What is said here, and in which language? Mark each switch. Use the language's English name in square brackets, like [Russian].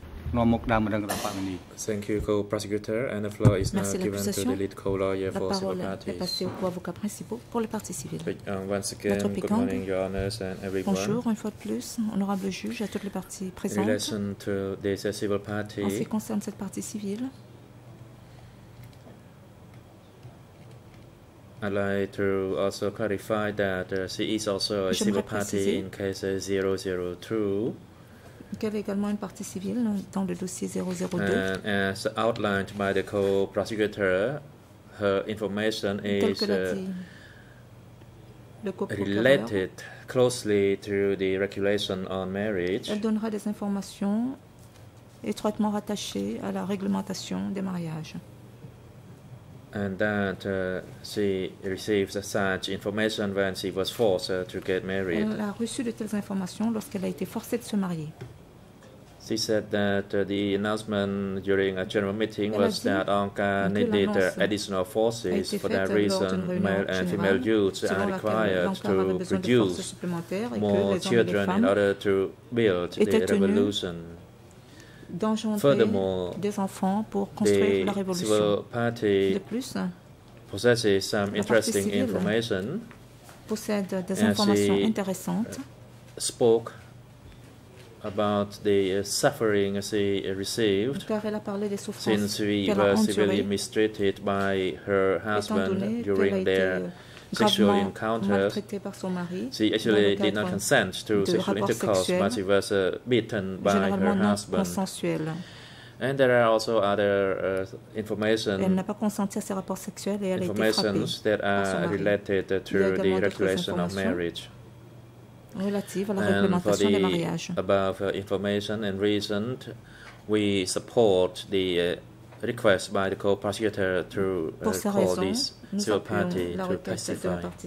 [English] Thank you, co-prosecutor, and the floor is now given to the lead co-lawyer for civil parties. [French] Pour les parties civiles. [English] Once again, good morning, Your Honours, and everyone. [French] Bonjour, une fois de plus, honorable juge, à toutes les parties présentes. [English] In relation to this civil party, [French] en ce qui concerne cette partie civile, [English] I'd like to also clarify that she is also a civil party in case 002. [French] Qui avait également une partie civile dans le dossier 002. [English] And as outlined by the co-prosecutor, her information is related closely to the regulation on marriage. [French] Elle donnera des informations étroitement rattachées à la réglementation des mariages. [English] And that she received such information when she was forced to get married. [French] Elle a reçu de telles informations lorsqu'elle a été forcée de se marier. [English] She said that the announcement during a general meeting was that ANCA needed additional forces for that reason. Male and female youths are required to produce more children in order to build the revolution. Furthermore, the civil party possesses some interesting information, and she spoke about the suffering she received since we were severely mistreated by her husband during their sexual encounters. She actually did not consent to sexual intercourse, but she was beaten by her husband. And there are also other information. [French] Elle n'a pas consenti à ses rapports sexuels et elle a été frappée. [English] Informations that are related to the regulation of marriage. [French] Relative à la réglementation des mariages. [English] Above information and reason, we support the request by the co-prosecutor to call this civil party to testify.